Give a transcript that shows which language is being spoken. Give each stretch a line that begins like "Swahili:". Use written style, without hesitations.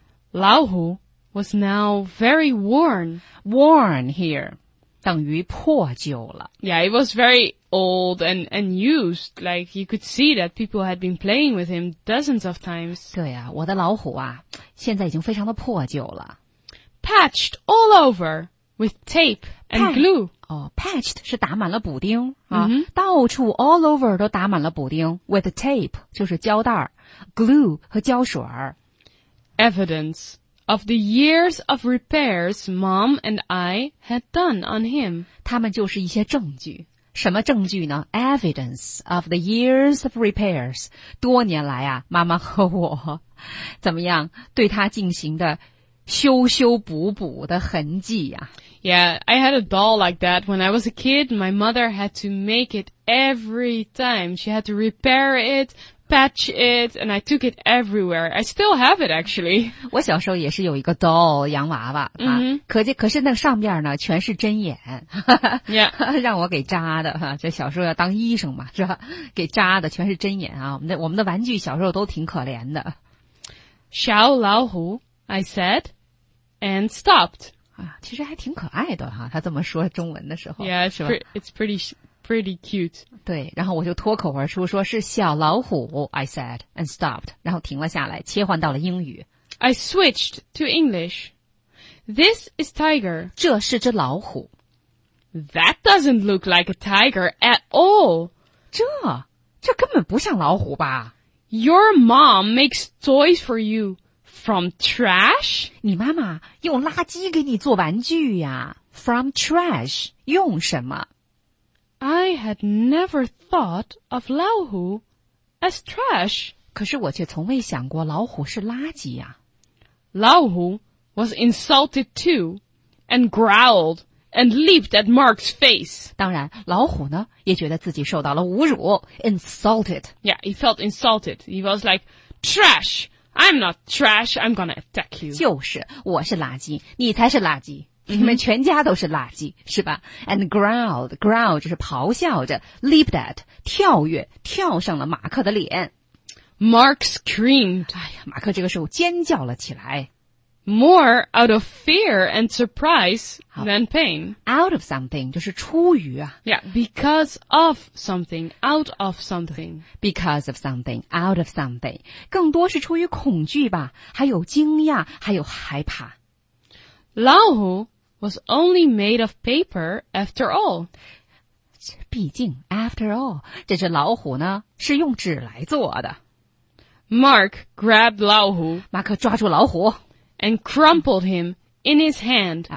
English: 老虎 was now very worn.
Chinese: Worn here, 等于破旧了。
English: Yeah, it was very old and unused. Like, you could see that people had been playing with him dozens of times.
Chinese: 对呀、啊、我的老虎啊，现在已经非常的破旧了。
English: Patched all over with tape and glue.
Chinese: 哦、patched 是打满了补丁、到处
English: all over
Chinese: 都打满了补丁 with tape 就是胶带 glue 和胶水
English: evidence of the years of repairs mom and I had done on him
Chinese: 他们就是一些证据什么证据呢
English: evidence of the years of repairs
Chinese: 多年来啊妈妈和我怎么样对他进行的修修补补的痕迹啊
English: Yeah, I had a doll like that when I was a kid. My mother had to make it every time. She had to repair it, patch it, and I took it everywhere. I still have it, actually.
Chinese: 我小时候也是有一个 doll, 洋娃娃、啊 可是那上面呢全是针眼
English: yeah.
Chinese: 让我给扎的、啊、这小时候要当医生嘛是吧给扎的全是针眼啊我们的玩具小时候都挺可怜的。
English: 小老虎I said, and stopped.
Chinese: 啊，其实还挺可爱的哈、啊。他这么说中文的时候，
English: yeah, it's pretty cute.
Chinese: 对，然后我就脱口而出说是小老虎。
English: I said and stopped.
Chinese: 然后停了下来，切换到了英语。
English: I switched to English. This is tiger.
Chinese: 这是只老虎。
English: That doesn't look like a tiger at all.
Chinese: 这根本不像老虎吧
English: ？Your mom makes toys for you. From trash?
Chinese: 你妈妈用垃圾给你做玩具呀。
English: From trash,
Chinese: 用什么
English: ?I had never thought of 老虎 as trash.
Chinese: 可是我却从未想过老虎是垃圾呀。
English: 老虎 was insulted too, and growled, and leaped at Mark's face.
Chinese: 当然老虎呢也觉得自己受到了侮辱 insulted.
English: Yeah, he felt insulted. He was like, trash! I'm not trash, I'm gonna attack you.
Chinese: 就是,我是垃圾,你才是垃圾,你们全家都是垃圾,是吧?
English: And growled,
Chinese: growl 就是咆哮着, leaped at, 跳跃,跳上了马克的脸。
English: Mark screamed.
Chinese: 哎呀,马克这个时候尖叫了起来。
English: More out of fear and surprise than pain.
Chinese: Out of something, 就是出于啊。
English: Yeah, because of something, out of something. Because of something, out of something.
Chinese: 更多是出于恐惧吧,还有惊讶,还有害怕。
English: 老虎 was only made of paper after all.
Chinese: 毕竟 after all, 这只老虎呢,是用纸来做的。
English: Mark grabbed 老虎。
Chinese: 马克抓住老虎。
English: And crumpled him in his hand.